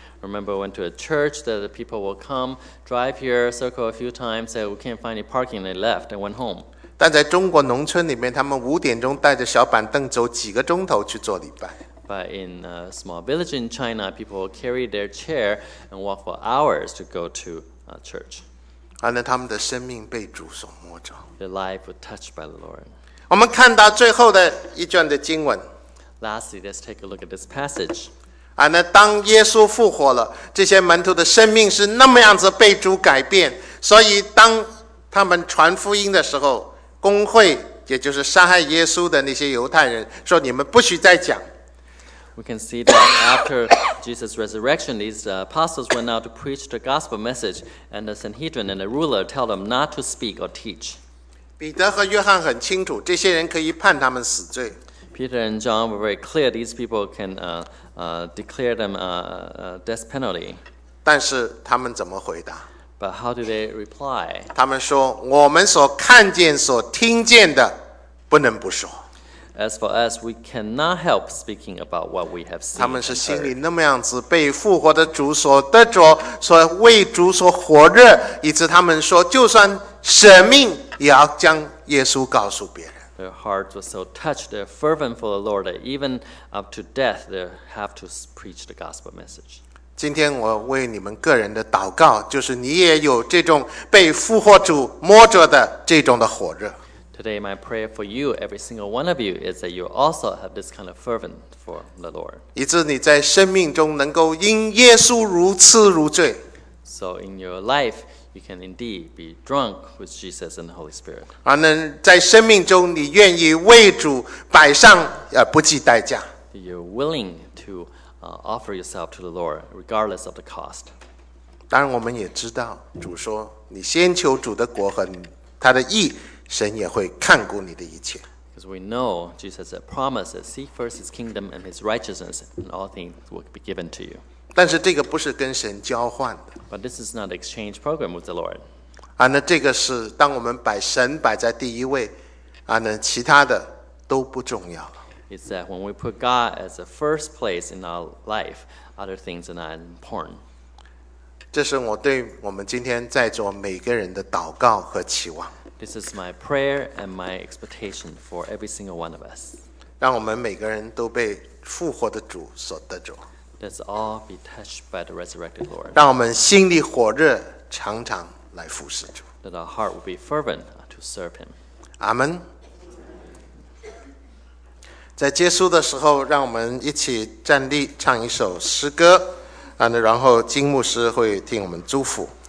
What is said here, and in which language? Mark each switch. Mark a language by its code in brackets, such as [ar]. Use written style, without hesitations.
[en] Remember, I went to a church that the people will come, drive here, circle a few times, say we can't find any parking, they left and went home. [zh] 但在中国农村里面，他们五点钟带着小板凳走几个钟头去做礼拜。 [en] But in a small village in China, people carry their chair and walk for hours to go to a church. [zh] 他们的生命被主所摸着。 [en] Their life was touched by the Lord. [zh] 我们看到最后的一卷的经文。 [en] Lastly, let's take a look at this passage. [zh] 当耶稣复活了，这些门徒的生命是那么样子被主改变，所以当他们传福音的时候，公会也就是杀害耶稣的那些犹太人说你们不许再讲。 [en] We can see that after Jesus' resurrection, these apostles went out to preach the gospel message, and the Sanhedrin and the ruler tell them not to speak or teach. [zh] 彼得和约翰很清楚，这些人可以判他们死罪。 [en] Peter and John were very clear, these people can declare them a death penalty. [zh] 但是他们怎么回答？ [en] But how do they reply? [zh] 他们说，我们所看见、所听见的，不能不说。 [en] As for us, we cannot help speaking about what we have seen. [zh] 他们是心里那么样子被复活的主所得着，所为主所活着，以致他们说，就算舍命也要将耶稣告诉别人。 [en] Their hearts were so touched, they're fervent for the Lord, that even up to death, they have to preach the gospel message. [zh] 今天我为你们个人的祷告，就是你也有这种被复活主摸着的这种的火热。 [en] Today, my prayer for you, every single one of you, is that you also have this kind of fervent for the Lord. [zh] 以致你在生命中能够因耶稣如痴如醉。 [en] So in your life, you can indeed be drunk with Jesus and the Holy Spirit. [zh] 而能在生命中你愿意为主摆上不计代价。 [en] You're willing to offer yourself to the Lord, regardless of the cost. [zh] 当然我们也知道，主说，你先求主的国和他的义，神也会看顾你的一切。 [en] Because we know Jesus has promised, seek first his kingdom and his righteousness, and all things will be given to you. [zh] 但是这个不是跟神交换的。 [en] But this is not an exchange program with the Lord. [zh] 那这个是当我们把神摆在第一位，那其他的都不重要了。 [en] It's that when we put God as the first place in our life, other things are not important. [zh] 这是我对我们今天在座每个人的祷告和期望。 [en] This is my prayer and my expectation for every single one of us. [zh] 让我们每个人都被复活的主所得着。 [en] Let's all be touched by the resurrected Lord. [zh] 让我们心里火热，常常来服侍主。 [en] That our heart will be fervent to serve him. [zh] 阿们。在结束的时候，让我们一起站立，唱一首诗歌，然后金牧师会听我们祝福。